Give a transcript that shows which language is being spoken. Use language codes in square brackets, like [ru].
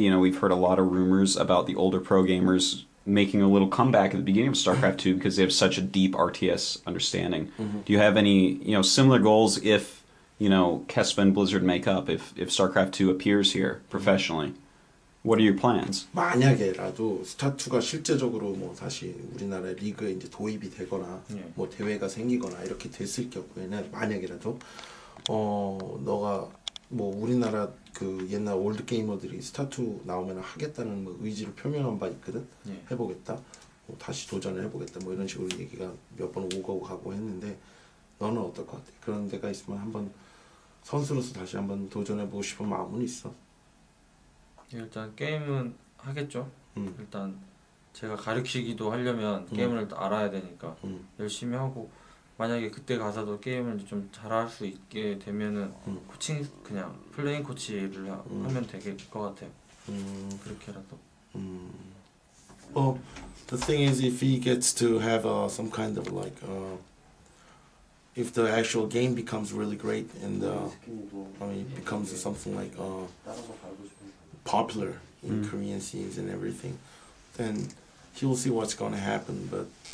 [en] You know, we've heard a lot of rumors about the older pro gamers making a little comeback at the beginning of StarCraft 2 because they have such a deep RTS understanding. Do you have any, you know, similar goals if, you know, Kespa and Blizzard make up, if StarCraft 2 appears here professionally? What are your plans? [ko] 만약에라도 스타2가 실제적으로 뭐 다시 우리나라 리그에 이제 도입이 되거나 뭐 대회가 생기거나 이렇게 됐을 경우에는 만약에라도 어 너가 뭐 우리나라 그 옛날 올드 게이머들이 스타2 나오면 하겠다는 뭐 의지를 표명한 바 있거든 예. 해보겠다 뭐 다시 도전을 해보겠다 뭐 이런 식으로 얘기가 몇 번 오고 가고 했는데 너는 어떨 것 같아? 그런 데가 있으면 한번 선수로서 다시 한번 도전해보고 싶은 마음은 있어? 일단 게임은 하겠죠 일단 제가 가르치기도 하려면 게임을 알아야 되니까 열심히 하고 만약에 그때 가서도 게임을 좀 잘할 수 있게 되면은 코칭 그냥 플레이 코치를 하면 될 것 같아요. 그렇게라도. [en] Well, the thing is, if he gets to have some kind of like, if the actual game becomes really great and it becomes something like popular in Korean scenes and everything, then he'll see what's going to happen, but.